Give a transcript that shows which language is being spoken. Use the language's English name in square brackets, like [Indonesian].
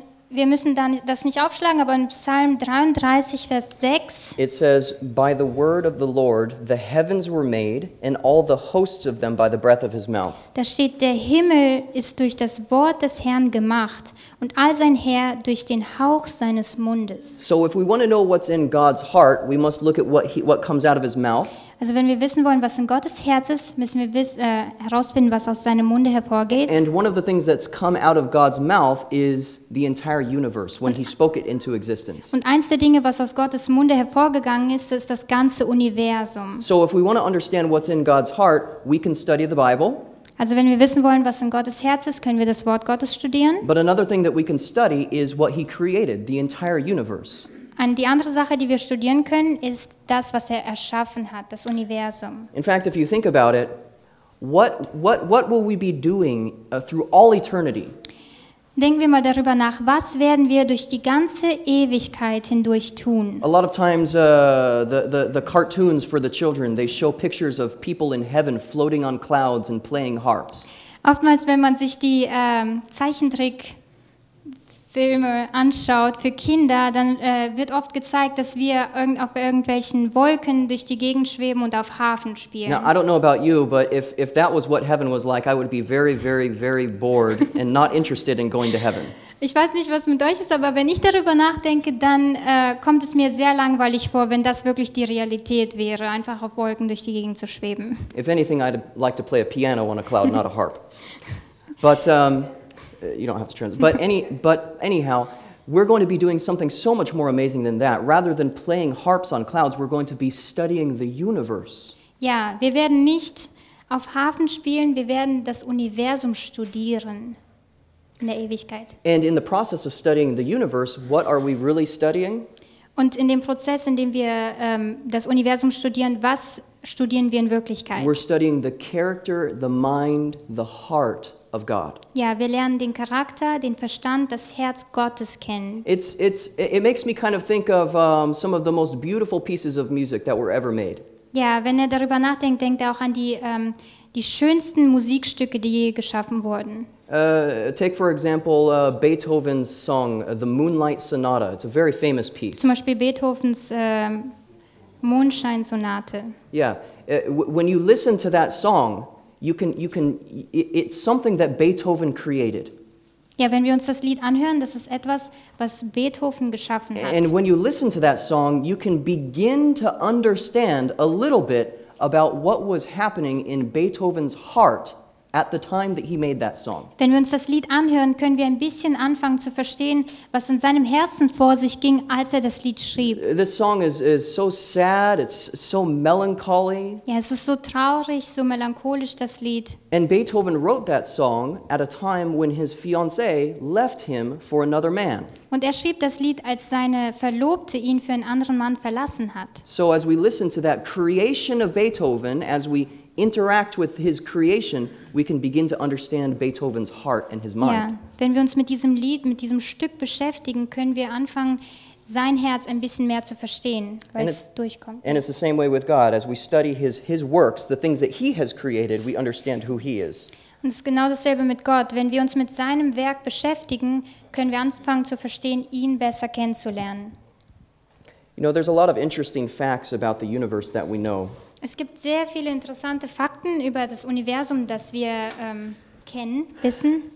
[German] Wir müssen dann das nicht aufschlagen, aber in Psalm 33, Vers 6. [English] It says, by the word of the Lord, the heavens were made, and all the hosts of them by the breath of his mouth. [German] Da steht, der Himmel ist durch das Wort des Herrn gemacht, und all sein Heer durch den Hauch seines Mundes. [English] So if we want to know what's in God's heart, we must look at what comes out of his mouth. [German] Also wenn wir wissen wollen, was in Gottes Herz ist, müssen wir herausfinden, was aus seinem Munde hervorgeht. [English] And one of the things that's come out of God's mouth is the entire universe, when he spoke it into existence. [German] Und eins der Dinge, was aus Gottes Munde hervorgegangen ist, ist das ganze Universum. [English] So if we want to understand what's in God's heart, we can study the Bible. [German] Also wenn wir wissen wollen, was in Gottes Herz ist, können wir das Wort Gottes studieren. [English] But another thing that we can study is what he created, the entire universe. [German] Und die andere Sache, die wir studieren können, ist das, was er erschaffen hat, das Universum. [English] In fact, if you think about it, what will we be doing through all eternity? [German] Denken wir mal darüber nach, was werden wir durch die ganze Ewigkeit hindurch tun? [English] A lot of times the cartoons for the children, they show pictures of people in heaven floating on clouds and playing harps. [German] Oftmals, wenn man sich die Zeichentrickfilme anschaut für Kinder, dann wird oft gezeigt, dass wir auf irgendwelchen Wolken durch die Gegend schweben und auf Harfen spielen. [English] Now, I don't know about you, but if that was what heaven was like, I would be very, very, very bored and not interested in going to heaven. [German] Ich weiß nicht, was mit euch ist, aber wenn ich darüber nachdenke, dann kommt es mir sehr langweilig vor, wenn das wirklich die Realität wäre, einfach auf Wolken durch die Gegend zu schweben. [English] If anything, I'd like to play a piano on a cloud, not a harp. But you don't have to translate. But anyhow, we're going to be doing something so much more amazing than that. Rather than playing harps on clouds, we're going to be studying the universe. [German] Ja, wir werden nicht auf Harfen spielen, wir werden das Universum studieren. In der Ewigkeit. [English] And in the process of studying the universe, what are we really studying? [German] Und in dem Prozess, in dem wir das Universum studieren, was studieren wir in Wirklichkeit? [English] We're studying the character, the mind, the heart of God. [German] Ja, wir lernen den Charakter, den Verstand, das Herz Gottes kennen. [English] It makes me kind of think of some of the most beautiful pieces of music that were ever made. [German] Ja, wenn er darüber nachdenkt, denkt er auch an die schönsten Musikstücke, die je geschaffen wurden. [English] Take for example Beethoven's song, the Moonlight Sonata. It's a very famous piece. [German] Zum Beispiel Beethovens Mondscheinsonate. [English] Yeah, when you listen to that song, it's something that Beethoven created. [German] Ja, wenn wir uns das Lied anhören, das ist etwas, was Beethoven geschaffen hat. [English] And when you listen to that song, you can begin to understand a little bit about what was happening in Beethoven's heart at the time that he made that song. [German] Wenn wir uns das Lied anhören, können wir ein bisschen anfangen zu verstehen, was in seinem Herzen vor sich ging, als er das Lied schrieb. [English] This song is so sad, it's so melancholy. [German] Ja, es ist so traurig, so melancholisch, das Lied. [English] And Beethoven wrote that song at a time when his fiancée left him for another man. [German] Und er schrieb das Lied, als seine Verlobte ihn für einen anderen Mann verlassen hat. [English] So as we listen to that creation of Beethoven, as we interact with his creation, we can begin to understand Beethoven's heart and his mind. [German] Ja, wenn wir uns mit diesem Lied, mit diesem Stück beschäftigen, können wir anfangen, sein Herz ein bisschen mehr zu verstehen, weil es durchkommt. [English] And it's the same way with God. As we study his works, the things that he has created, we understand who he is. [German] Und es ist genau dasselbe mit Gott. Wenn wir uns mit seinem Werk beschäftigen, können wir anfangen zu verstehen, ihn besser kennenzulernen. [English] You know, there's a lot of interesting facts about the universe that we know. [German] Es gibt sehr viele interessante Fakten über das Universum, das wir kennen, wissen.